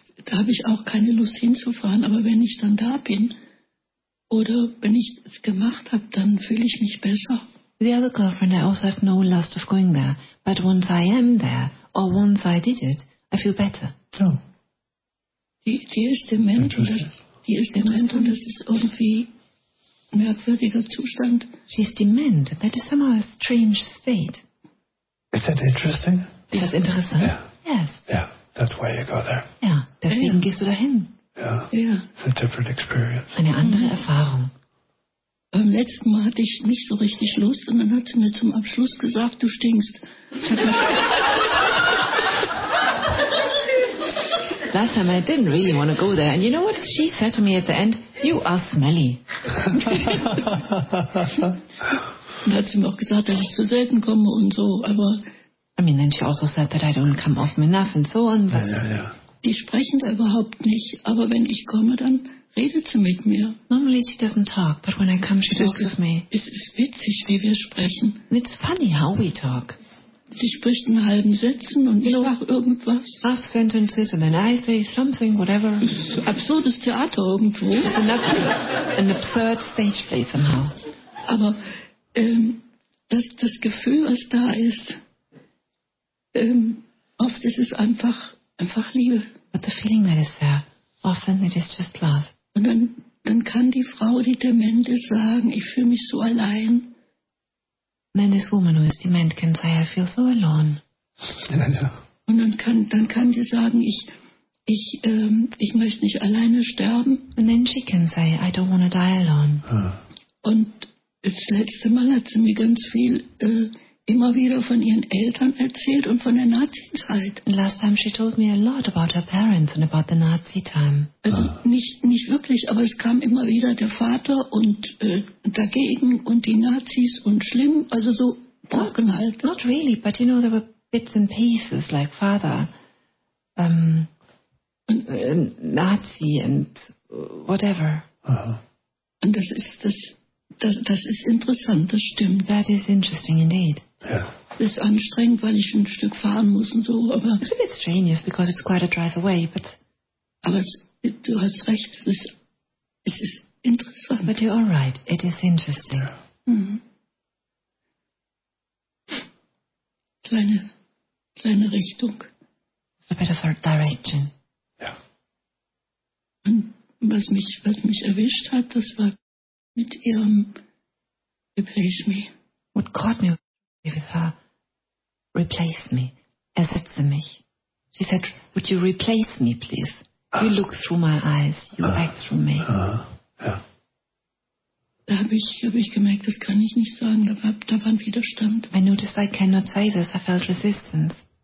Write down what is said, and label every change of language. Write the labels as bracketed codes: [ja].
[de] habe ich auch keine Lust hinzufahren, aber wenn ich dann da bin oder wenn ich es gemacht habe, dann fühle ich mich besser. [en] The other girlfriend, I also have no lust of going there, but once I am there or once I did it, I feel better. So. [de] Die ist dement und das ist irgendwie ein merkwürdiger Zustand. [en] She is dement, that is somehow a strange state. Is that interesting? [de] Ist das interessant? [en] Yeah. Yes. Yeah, that's why you go there. [de] Ja, deswegen gehst du dahin. [en] Yeah. Yeah. It's a different experience. Eine andere Erfahrung. [de] Beim letzten Mal hatte ich nicht so richtig Lust und dann hat sie mir zum Abschluss gesagt, du stinkst. [en] Last time I didn't really want to go there. And you know what she said to me at the end? You are smelly. [de] Und hat sie mir auch gesagt, dass ich zu selten komme und so, aber... [en] I mean, then she also said that I don't come often enough and so on. [de] Ja, ja, ja. Die sprechen da überhaupt nicht, aber wenn ich komme, dann... Redet sie mit mir. [en] Normally she doesn't talk, but when I come she talks with me. [de] Es ist witzig, wie wir sprechen. [en] And it's funny how we talk. [de] Sie spricht einen halben Sätzen und ich sage irgendwas. [en] Half sentences and then I say something, whatever. [de] Absurdes Theater irgendwo. [en] It's an absurd stage play somehow. [de] Aber das Gefühl, was da ist, oft ist es einfach Liebe. [en] But the feeling that is there, often it is just love. [de] Und dann kann die Frau, die dement ist, sagen, ich fühle mich so allein. [en] Then this woman who is dement can say, I feel so alone. Yeah. [de] Und dann kann die sagen, ich möchte nicht alleine sterben. [en] And then she can say, I don't want to die alone. [de] Und das letzte Mal hat sie mir ganz viel immer wieder von ihren Eltern erzählt und von der Nazi-Zeit. [en] And last time she told me a lot about her parents and about the Nazi time. [de] Also nicht wirklich, aber es kam immer wieder der Vater und dagegen und die Nazis und schlimm, also so trocken halt. [en] Not really, but you know, there were bits and pieces like father, Nazi and whatever. Uh-huh. [de] Und das ist interessant, das stimmt. [en] That is interesting indeed. Yeah. [de] Ist anstrengend, weil ich ein Stück fahren muss und so, aber... [en] It's a bit strange, because it's quite a drive away, but... [de] Aber du hast recht, es ist interessant. [en] But you are right, it is interesting. Yeah. [de] Mm-hmm. Kleine Richtung. [en] It's a bit of a direction. Yeah. [de] Und was mich erwischt hat, das war mit ihrem [en] Replace Me. What caught me? With her, replace me, [de] ersetze mich. [en] She said, would you replace me, please? You look through my eyes, you act through me. Yeah. [de] Da hab ich gemerkt, das kann ich nicht sagen, da war ein Widerstand. [en] I noticed I cannot say this, I felt resistance.